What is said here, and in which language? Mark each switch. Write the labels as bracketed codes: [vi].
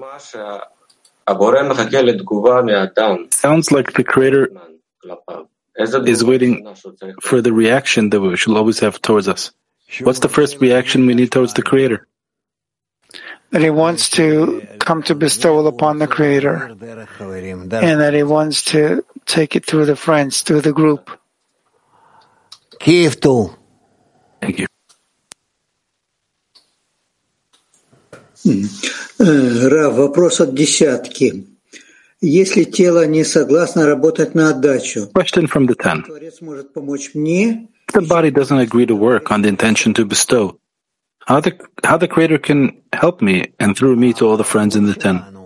[he] שהבורא מחכה לתגובה מהאדם. [en] Sounds like the creator is waiting for the reaction that we should always have towards us. What's the first reaction we need towards the creator? That he wants to come to bestowal upon the creator. And that he wants to take it through the friends, through the group. Kiev too. Thank you. [ru] Rav, вопрос от десятки. Если тело не согласно работать на отдачу, [en] question from the ten. [ru] Творец может помочь мне. [en] If the body doesn't agree to work on the intention to bestow, how the Creator can help me and through me to all the friends in the ten?